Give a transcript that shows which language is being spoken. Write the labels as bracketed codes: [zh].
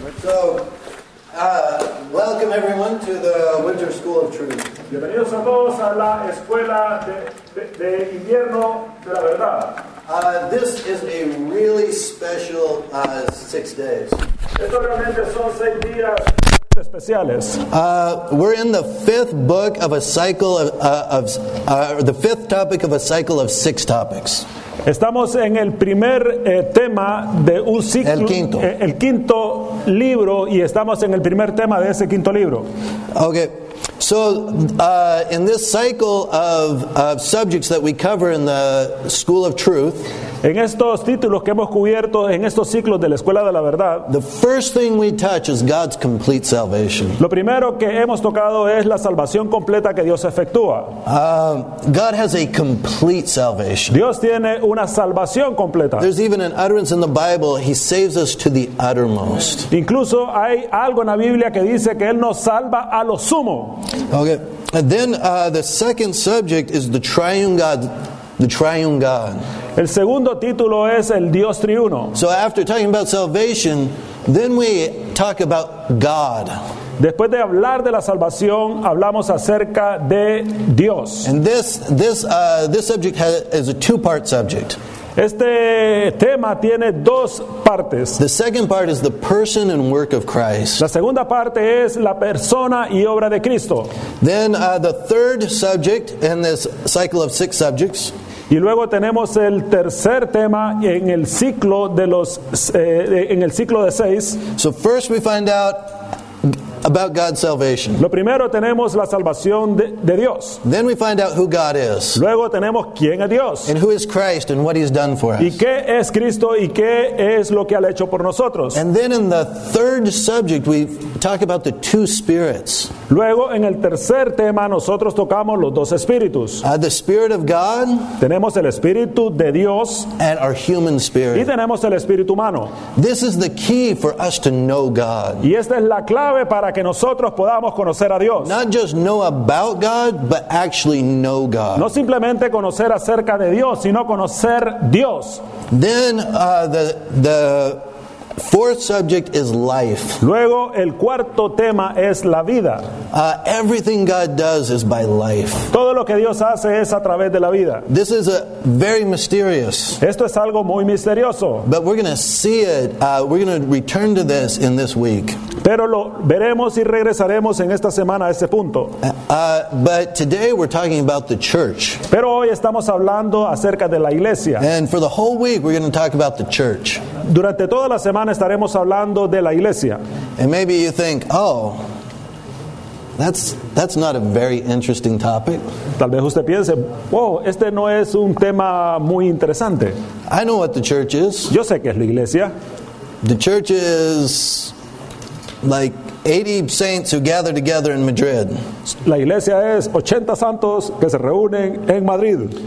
[en] So, welcome everyone to the Winter School of Truth. [es] Bienvenidos a todos a la escuela de invierno de la verdad. [en] This is a really special 6 days. [es] Esto realmente son 6 días. [en] We're in the fifth book of a cycle of the fifth topic of a cycle of 6 topics. [es] Estamos en el primer tema de un ciclo, el quinto libro, y estamos en el primer tema de ese quinto libro. [en] Okay. So, in this cycle of subjects that we cover in the School of Truth, [es] en estos títulos que hemos cubierto en estos ciclos de la Escuela de la Verdad, [en] the first thing we touch is God's complete salvation. [es] Lo primero que hemos tocado es la salvación completa que Dios efectúa. [en] God has a complete salvation. [es] Dios tiene una salvación completa. [en] There's even an utterance in the Bible, He saves us to the uttermost. [es] Incluso hay algo en la Biblia que dice que Él nos salva a lo sumo. [en] Okay, and then the second subject is the triune God. [es] El segundo título es el Dios triuno. [en] So after talking about salvation, then we talk about God. [es] Después de hablar de la salvación, hablamos acerca de Dios. [en] And this subject is a two-part subject. [es] Este tema tiene dos partes. [en] The second part is the person and work of Christ. [es] La segunda parte es la persona y obra de Cristo. [en] Then the third subject in this cycle of 6 subjects. [es] Y luego tenemos el tercer tema en el ciclo de los en el ciclo de 6. [en] So first we find out about God's salvation. [es] Lo primero tenemos la salvación de Dios. [en] Then we find out who God is. [es] Luego tenemos quién es Dios. [en] And who is Christ and what He's done for us. [es] Y qué es Cristo y qué es lo que ha hecho por nosotros. [en] And then in the third subject we talk about the two spirits. [es] Luego en el tercer tema nosotros tocamos los dos espíritus. [en] The spirit of God. [es] Tenemos el espíritu de Dios. [en] And our human spirit. [es] Y tenemos el espíritu humano. [en] This is the key for us to know God. [es] Y esta es la clave para que nosotros podamos conocer a Dios. [en] Not just know about God, but actually know God. [es] No simplemente conocer acerca de Dios, sino conocer Dios. [en] Then the fourth subject is life. [es] Luego el cuarto tema es la vida. [en] Everything God does is by life. [es] Todo lo que Dios hace es a través de la vida. [en] This is a very mysterious. [es] Esto es algo muy misterioso. [en] But we're going to see it. We're going to return to this in this week. [es] Pero lo veremos y regresaremos en esta semana a ese punto. [en] But today we're talking about the church. [es] Pero hoy estamos hablando acerca de la iglesia. [en] And for the whole week we're going to talk about the church. [es] Durante toda la semana estaremos hablando de la iglesia. [en] And maybe you think, oh, that's not a very interesting topic. [es] Tal vez usted piense, wow, este no es un tema muy interesante. [en] I know what the church is. [es] Yo sé qué es la iglesia. [en] The church is like 80 saints who gather together in Madrid. [es] La iglesia es 80 santos que se reúnen en Madrid.